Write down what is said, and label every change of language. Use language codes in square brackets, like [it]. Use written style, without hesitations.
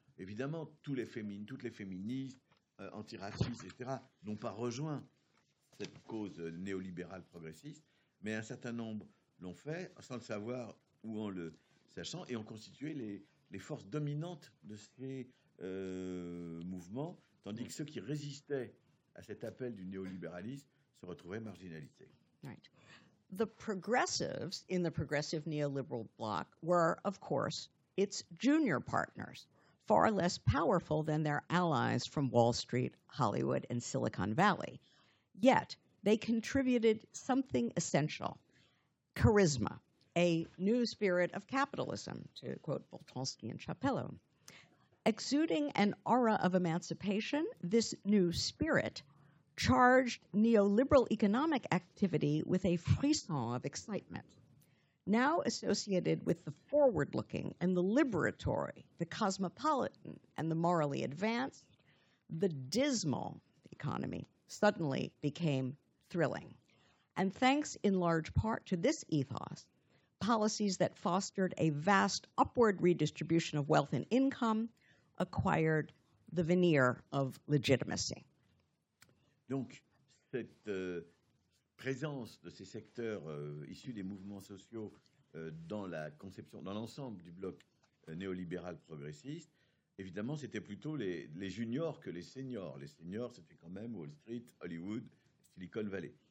[fr] Évidemment, toutes les féministes, antiracistes, etc., n'ont pas rejoint cette cause néolibérale progressiste, mais un certain nombre l'ont fait, sans le savoir ou en le sachant, et ont constitué les forces dominantes de ces mouvements, tandis que ceux qui résistaient à cet appel du néolibéralisme se retrouvaient marginalisés. [en] Right. The progressives in the progressive neoliberal bloc were, of course, its junior partners, far less powerful than their allies from Wall Street, Hollywood, and Silicon Valley. Yet, they contributed something essential. Charisma, a new spirit of capitalism, to quote Boltonsky and Chapello. Exuding an aura of emancipation, this new spirit charged neoliberal economic activity with a frisson of excitement. Now associated with the forward-looking and the liberatory, the cosmopolitan and the morally advanced, the dismal economy suddenly became thrilling. And thanks in large part to this ethos, policies that fostered a vast upward redistribution of wealth and income acquired the veneer of legitimacy. [fr] Donc, cette présence de ces secteurs issus des mouvements sociaux dans la conception, dans l'ensemble du bloc néolibéral progressiste, évidemment, c'était plutôt les juniors que les seniors. Les seniors, c'était quand même Wall Street, Hollywood, Silicon Valley.